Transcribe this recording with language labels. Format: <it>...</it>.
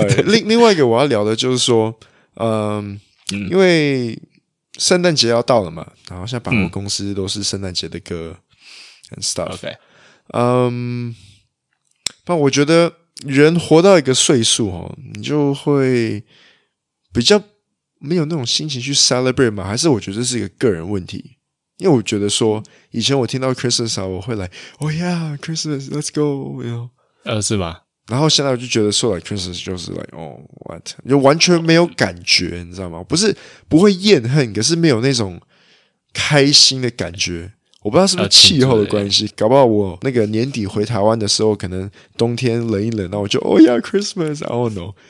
<zh>另外一个我要聊的就是说，因为圣诞节要到了嘛，然后现在百货公司都是圣诞节的歌</zh> <en>and stuff. Okay.</en> <zh>但我觉得人活到一个岁数齁，你就会比较没有那种心情去 celebrate 吗？还是我觉得这是一个个人问题？因为我觉得说，以前我听到 Christmas 啊，我会来 ，</zh> <en>Oh yeah, Christmas, let's go, you know，</en> <zh>是吧？然后现在我就觉得说 ，like Christmas 就是</zh> <en>like oh what，</en> <zh>就完全没有感觉，你知道吗？不是不会厌恨，可是没有那种开心的感觉。我不知道是不是气候的关系，搞不好我那个年底回台湾的时候，可能冬天冷一冷，然后我就</zh> <en>Oh yeah, Christmas, I don't know。</en>